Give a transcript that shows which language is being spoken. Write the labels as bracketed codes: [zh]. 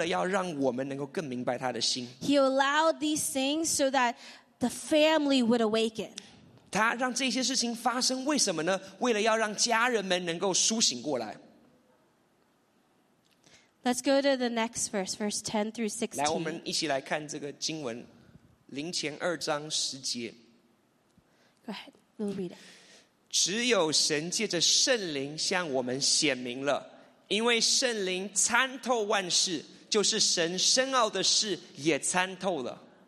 [zh] 那他做这些事情就是为了要让我们能够更明白他的心。 [en] He allowed these things so that the family would awaken. [zh] 他让这些事情发生为什么呢?为了要让家人们能够苏醒过来。 [en] Let's go to the next verse, verse 10 through 16. [zh] 来,我们一起来看这个经文, 灵前二章十节。 [en] Go ahead, we'll read it. [zh] 只有神借着圣灵向我们显明了,因为圣灵参透万事, 就是神深奥的事也参透了。